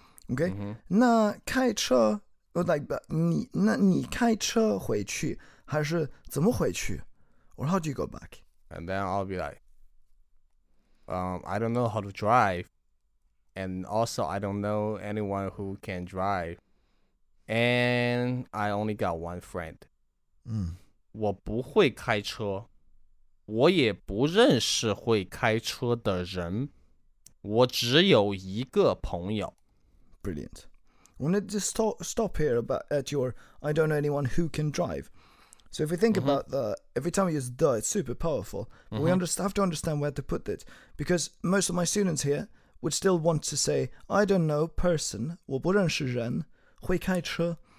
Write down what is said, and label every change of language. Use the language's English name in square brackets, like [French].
[English] Okay. [Chinese] 那开车, [English] or like [Chinese] 你开车回去, 还是怎么回去? [English] Or how do you go back? And then I'll be like, I don't know how to drive, and also I don't know anyone who can drive, and I only got one friend. [Chinese] 我不会开车, 我也不认识会开车的人, 我只有一个朋友. [English] Brilliant. I want to just stop here at your I don't know anyone who can drive. So if we think about the, every time we use the, it's super powerful. But we have to understand where to put it. Because most of my students here would still want to say, I don't know person, [Chinese] 我不认识人, 会开车.